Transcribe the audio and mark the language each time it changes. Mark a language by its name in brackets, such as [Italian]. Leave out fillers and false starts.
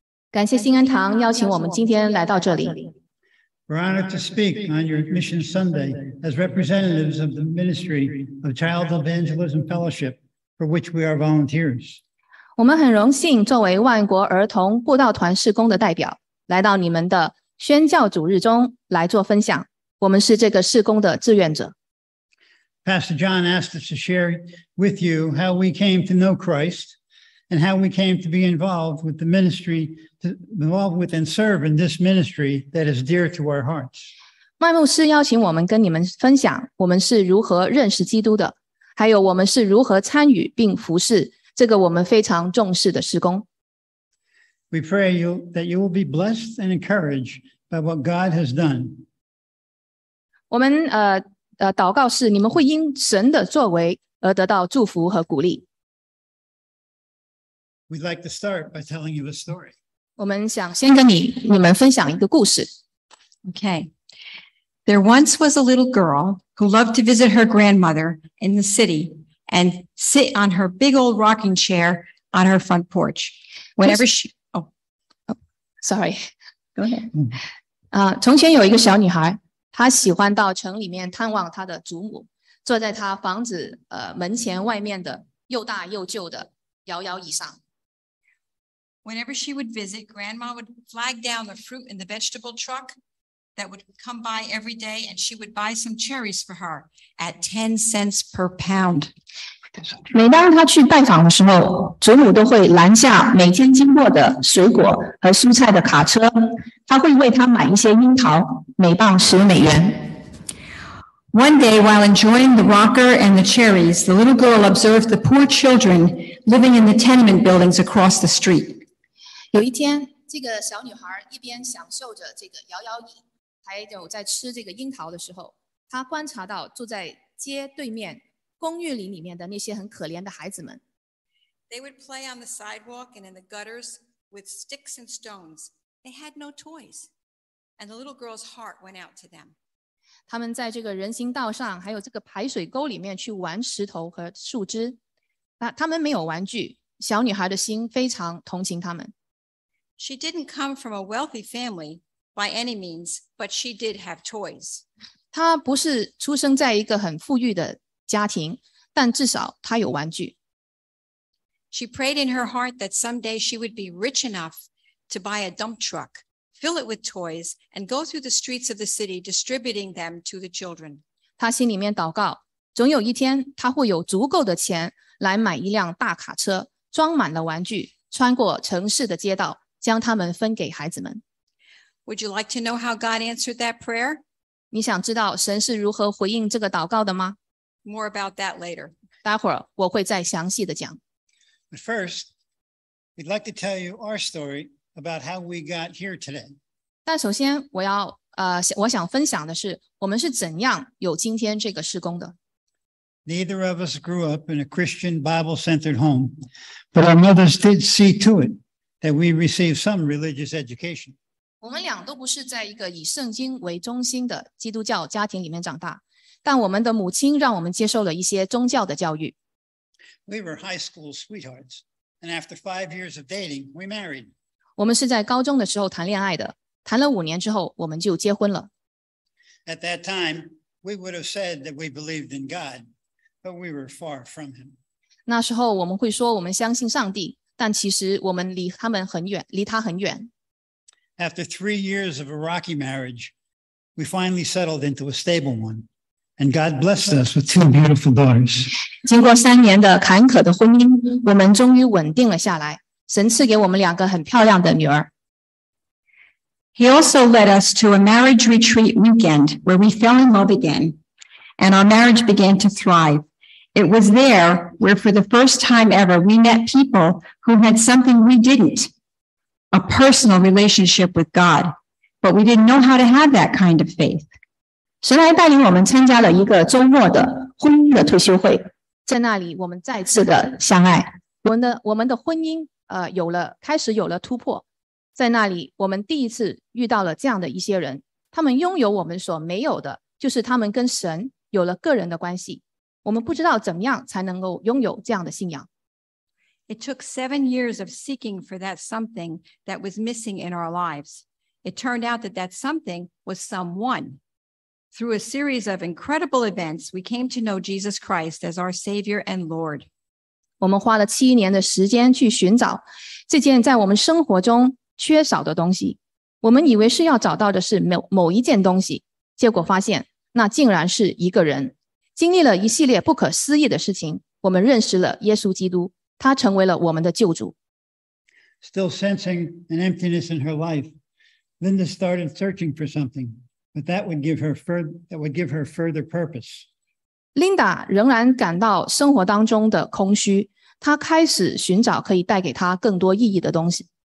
[Chinese] 感谢新恩堂邀请我们今天来到这里。 [English] We're honored to speak on your Mission Sunday as representatives of the Ministry of Child Evangelism Fellowship, for which we are volunteers. [Chinese] 我们很荣幸作为万国儿童布道团事工的代表，来到你们的宣教主日中来做分享。我们是这个事工的志愿者。 [English] Pastor John asked us to share with you how we came to know Christ and how we came to be involved with the ministry, to involve with and serve in this ministry that is dear to our hearts. [Chinese] 麦牧师邀请我们跟你们分享我们是如何认识基督的，还有我们是如何参与并服侍这个我们非常重视的事工。 [English] We pray you, that you will be blessed and encouraged by what God has done. [Chinese] 我们祷告是你们会因神的作为而得到祝福和鼓励。 [English] We'd like to start by telling you a story. [Chinese] 我们想先跟你们分享一个故事。 [English] Okay. There once was a little girl who loved to visit her grandmother in the city and sit on her big old rocking chair on her front porch. Whenever she... Sorry. Go ahead. [Chinese] 从前有一个小女孩，他喜欢到城里面探望他的祖母，坐在他房子门前外面的又大又旧的摇摇椅上。 [English] Whenever she would visit, Grandma would flag down the fruit in the vegetable truck that would come by every day, and she would buy some cherries for her at 10 cents per pound. [Chinese] 每当他去拜访的时候，祖母都会拦下每天经过的水果和蔬菜的卡车，他会为他买一些樱桃，每磅十美元。 [English] One day, while enjoying the rocker and the cherries, the little girl observed the poor children living in the tenement buildings across the street. [Chinese] 有一天，这个小女孩一边享受着这个摇摇椅，还有在吃这个樱桃的时候，她观察到住在街对面公寓里面的那些很可怜的孩子们。 [English] They would play on the sidewalk and in the gutters with sticks and stones. They had no toys. And the little girl's heart went out to them. [Chinese] 他们在这个人行道上还有这个排水沟里面去玩石头和树枝。他们没有玩具，小女孩的心非常同情他们。 [English] She didn't come from a wealthy family by any means, but she did have toys. [Chinese] 她不是出生在一个很富裕的家庭，但至少她有玩具。 [English] She prayed in her heart that someday she would be rich enough to buy a dump truck, fill it with toys, and go through the streets of the city distributing them to the children. [Chinese] 她心里面祷告，总有一天她会有足够的钱来买一辆大卡车，装满了玩具，穿过城市的街道，将它们分给孩子们。 [English] Would you like to know how God answered that prayer? [Chinese] 你想知道神是如何回应这个祷告的吗？ [English] More about that later. [Chinese] 待会儿我会再详细的讲。 [English] But first, we'd like to tell you our story about how we got here today. [Chinese] 但首先我要我想分享的是我们是怎样有今天这个事工的。 [English] Neither of us grew up in a Christian Bible-centered home, but our mothers did see to it that we received some religious education. [Chinese] 我们俩都不是在一个以圣经为中心的基督教家庭里面长大，但我们的母亲让我们接受了一些宗教的教育。 [English] We were high school sweethearts, and after 5 years of dating, we married. [Chinese] 我们是在高中的时候谈恋爱的，谈了五年之后，我们就结婚了。 [English] At that time, we would have said that we believed in God. But we were far from him. [Chinese] 那时候我们会说我们相信上帝，但其实我们离他们很远，离他很远。 [English] After 3 years of a rocky marriage, we finally settled into a stable one, and God blessed us with two beautiful daughters. [Chinese] 经过三年的坎坷的婚姻，我们终于稳定了下来。神赐给我们两个很漂亮的女儿。 [English] He also led us to a marriage retreat weekend where we fell in love again. And our marriage began to thrive. It was there where, for the first time ever, we met people who had something we didn't, a personal relationship with God. But we didn't know how to have that kind of faith. [Chinese] 神来带领我们参加了一个周末的婚姻的退休会，在那里我们再次的相爱。我们的婚姻，开始有了突破。在那里，我们第一次遇到了这样的一些人，他们拥有我们所没有的，就是他们跟神。有了个人的关系，我们不知道怎么样才能够拥有这样的信仰。 [English] It took 7 years of seeking for that something that was missing in our lives. It turned out that that something was someone. Through a series of incredible events, we came to know Jesus Christ as our Savior and Lord. [Chinese] 我们花了7年的时间去寻找这件在我们生活中缺少的东西。我们以为是要找到的是某一件东西，结果发现那竟然是一个人。经历了一系列不可思议的事情，我们认识了耶稣基督，他成为了我们的救主。 [English] Still sensing an emptiness in her life, Linda started searching for something, but that would give her further purpose. [Chinese] Linda 仍然感到生活当中的空虚，她开始寻找可以带给她更多意义的东西。